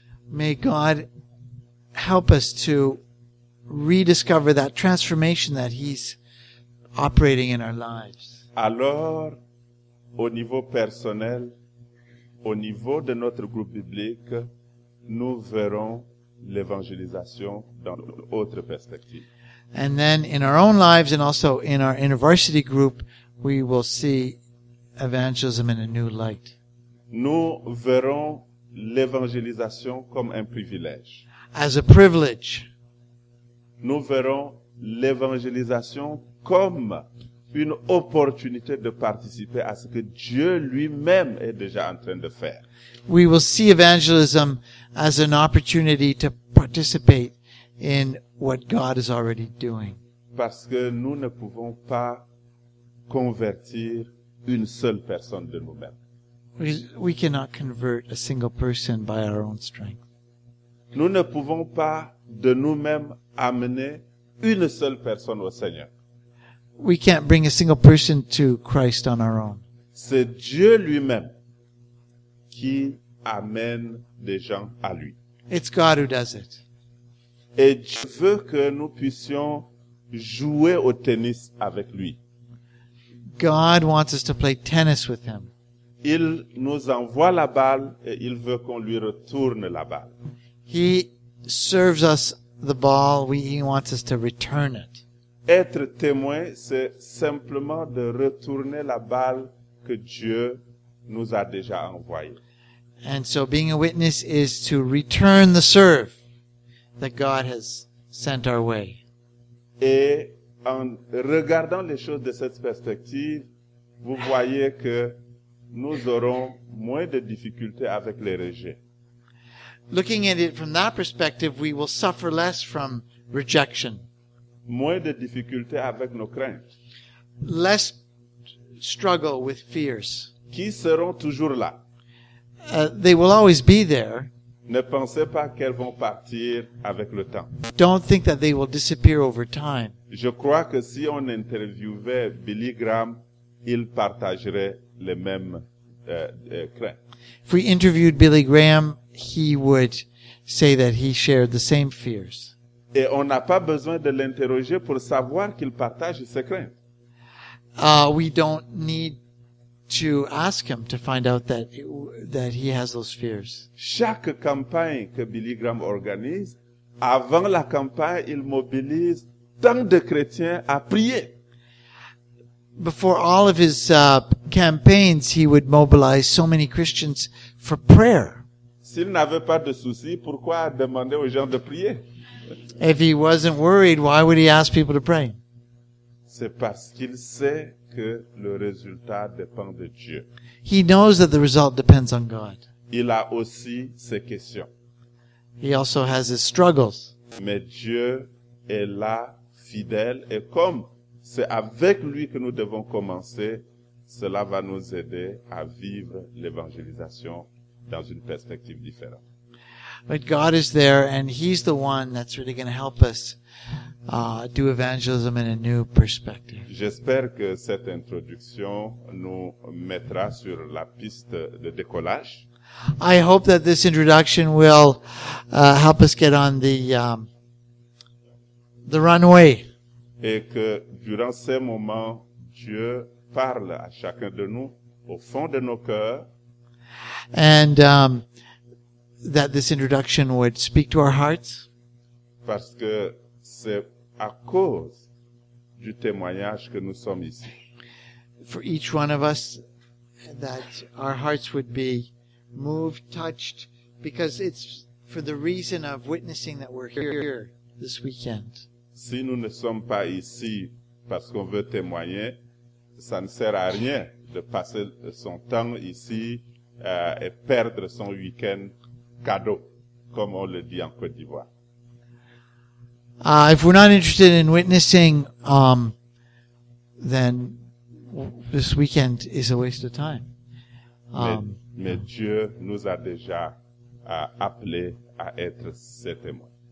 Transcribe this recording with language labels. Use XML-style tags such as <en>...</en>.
<en>May God help us to rediscover that transformation that he's operating in our lives.</en> <fr>Alors, au niveau personnel, au niveau de notre groupe biblique, nous verrons l'évangélisation dans une autre perspective.</fr> <en>And then in our own lives and also in our university group, we will see evangelism in a new light.</en> <fr>Nous verrons l'évangélisation comme un privilège.</fr> <en>As a privilege.</en> <fr>Nous verrons l'évangélisation comme une opportunité de participer à ce que Dieu lui-même est déjà en train de faire.</fr> <en>We will see evangelism as an opportunity to participate in what God is already doing.</en> <fr>Parce que nous ne pouvons pas convertir une seule personne de nous-mêmes.</fr> <en>We cannot convert a single person by our own strength.</en> <fr>Nous ne pouvons pas de nous-mêmes amener une seule personne au Seigneur.</fr> <en>We can't bring a single person to Christ on our own.</en> <fr>C'est Dieu lui-même qui amène des gens à lui.</fr> <en>It's God who does it.</en> <fr>Et Dieu veut que nous puissions jouer au tennis avec lui.</fr> <en>God wants us to play tennis with him.</en> <fr>Il nous envoie la balle et il veut qu'on lui retourne la balle.</fr> <en>He serves us the ball, he wants us to return it.</en> <fr>Être témoin, c'est simplement de retourner la balle que Dieu nous a déjà envoyée.</fr> <en>And so being a witness is to return the serve that God has sent our way.</en> <fr>Et en regardant les choses de cette perspective, vous voyez que nous aurons moins de difficultés avec les rejets.</fr> <en>Looking at it from that perspective, we will suffer less from rejection.</en> <fr>Moins de difficultés avec nos craintes.</fr> <en>Less struggle with fears.</en> <fr>Qui seront toujours là.</fr> <en>They will always be there.</en> <fr>Ne pensez pas qu'elles vont partir avec le temps.</fr> <en>Don't think that they will disappear over time.</en> <fr>Je crois que si on interviewait Billy Graham, il partagerait les mêmes craintes.</fr> <en>If we interviewed Billy Graham, he would say that he shared the same fears.</en> <fr>Et on n'a pas besoin de l'interroger pour savoir qu'il partage ses craintes.</fr> <en>We don't need to ask him to find out that he has those fears.</en> <fr>Chaque campagne que Billy Graham organise, avant la campagne, il mobilise tant de chrétiens à prier.</fr> <en>Before all of his campaigns, he would mobilize so many Christians for prayer.</en> <fr>S'il n'avait pas de soucis, pourquoi demander aux gens de prier?</fr> <en>If he wasn't worried, why would he ask people to pray?</en> <fr>C'est parce qu'il sait que le résultat dépend de Dieu.</fr> <en>He knows that the result depends on God.</en> <fr>Il a aussi ses questions.</fr> <en>He also has his struggles.</en> <fr>Mais Dieu est là, fidèle, et comme c'est avec lui que nous devons commencer, cela va nous aider à vivre l'évangélisation dans une perspective différente.</fr> <en>But God is there, and he's the one that's really going to help us do evangelism in a new perspective.</en> <fr>J'espère que cette introduction nous mettra sur la piste de décollage.</fr> <en>I hope that this introduction will help us get on the runway.</en> <fr>Et que durant ces moments, Dieu parle à chacun de nous au fond de nos cœurs.</fr> <en>And that this introduction would speak to our hearts.</en> <fr>Parce que c'est à cause du témoignage que nous sommes ici.</fr> <en>For each one of us, that our hearts would be moved, touched, because it's for the reason of witnessing that we're here this weekend.</en> <fr>Si nous ne sommes pas ici parce qu'on veut témoigner, ça ne sert à rien de passer son temps ici et perdre son week-end cadeau, comme on le dit en Côte d'Ivoire.</fr> <en>If we're not interested in witnessing, then this weekend is a waste of time.</en> <fr>Mais Dieu nous a déjà appelés à être ses témoins.</fr>